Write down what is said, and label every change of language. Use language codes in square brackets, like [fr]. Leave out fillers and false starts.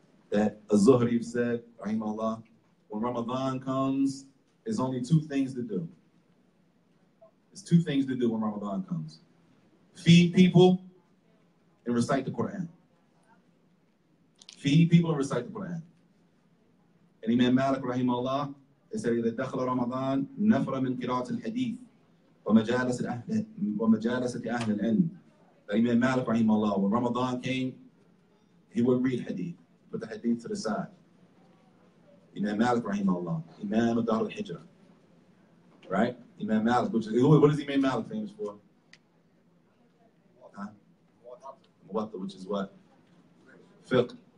[en] That Zuhri said, Rahimallah, when Ramadan comes, there's only two things to do. There's two things to do when Ramadan comes. Feed people and recite the Quran. Feed people and recite the Quran. And Imam Malik, rahimahullah, he said, [ar] إِذَا دَخْلَ رَمَضَانَ نَفْرَ مِنْ قِرَاةِ الْحَدِيثِ وَمَجَالَسَةِ أَهْلِ الْعِلْمِ. [en] That Imam Malik, rahimahullah, when Ramadan came, he wouldn't read hadith, put the hadith to the side. Imam Malik, rahimahullah, Imam of Dar al-Hijrah. right? Imam Malik, which is, what is Imam Malik famous for? Huh? Which is what? Fiqh.